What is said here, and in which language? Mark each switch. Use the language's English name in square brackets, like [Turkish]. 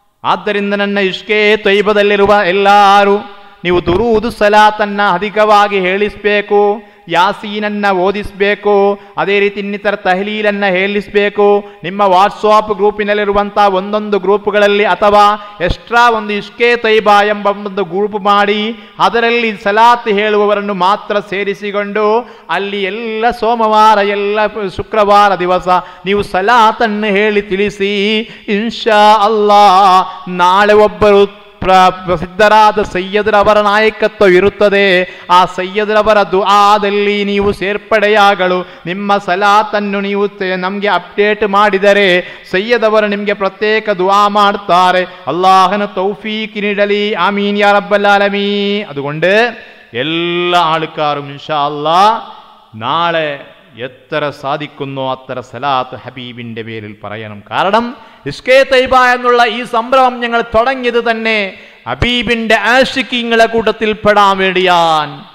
[Kannada] ആദരിന്ദ നന്ന ഇഷ്കെ ത്വൈബദല്ലിരുവ എല്ലാരും നീവു ദുറൂദ് സലാത്തന്ന അധികവാഗി ഹേളിസ്ബേക്കു. ಯಾಸೀನನ್ನು ಓದಿಸಬೇಕು, ಅದೇ ರೀತಿ ಇನ್ನಿತರ ತಹಲೀಲನ್ನು ಹೇಳಿಸಬೇಕು. ನಿಮ್ಮ ವಾಟ್ಸಾಪ್ ಗ್ರೂಪಿನಲ್ಲಿರುವಂಥ ಒಂದೊಂದು ಗ್ರೂಪ್ಗಳಲ್ಲಿ ಅಥವಾ ಎಕ್ಸ್ಟ್ರಾ ಒಂದು ಇಷ್ಕೆ ತೈಬಾ ಎಂಬ ಒಂದು ಗ್ರೂಪ್ ಮಾಡಿ ಅದರಲ್ಲಿ ಸಲಾತ್ ಹೇಳುವವರನ್ನು ಮಾತ್ರ ಸೇರಿಸಿಕೊಂಡು ಅಲ್ಲಿ ಎಲ್ಲ ಸೋಮವಾರ ಎಲ್ಲ ಶುಕ್ರವಾರ ದಿವಸ ನೀವು ಸಲಾತನ್ನು ಹೇಳಿ ತಿಳಿಸಿ ಇನ್ಶಾ ಅಲ್ಲಾ ನಾಳೆ ಒಬ್ಬರು ಪ್ರಸಿದ್ಧರಾದ ಸೈಯದ್ರವರ ನಾಯಕತ್ವ ಇರುತ್ತದೆ, ಆ ಸೈಯದ್ರವರ ದುಆದಲ್ಲಿ ನೀವು ಸೇರ್ಪಡೆಯಾಗಲು ನಿಮ್ಮ ಸಲಾತನ್ನು ನೀವು ನಮಗೆ ಅಪ್ಡೇಟ್ ಮಾಡಿದರೆ ಸೈಯದವರು ನಿಮಗೆ ಪ್ರತ್ಯೇಕ ದುಆ ಮಾಡುತ್ತಾರೆ. ಅಲ್ಲಾಹನ ತೌಫೀಕ್ ನೀಡಲಿ. ಆಮೀನ್ ಯಾ ರಬ್ಬಲ್ ಆಲಮೀ. ಅದುಕೊಂಡು ಎಲ್ಲ ಆಳುಕಾರು ಇನ್ಶಾ ಅಲ್ಲಾ ನಾಳೆ [Malayalam] എത്ര സാധിക്കുന്നോ അത്ര സലാത്ത് ഹബീബിന്റെ പേരിൽ പറയണം. കാരണം ഇഷ്ഖേ തൈബ എന്നുള്ള ഈ സംഭ്രമം ഞങ്ങൾ തുടങ്ങിയത് തന്നെ ഹബീബിന്റെ ആഷിഖീങ്ങളെ കൂട്ടത്തിൽ പെടാൻ വേണ്ടിയാൻ.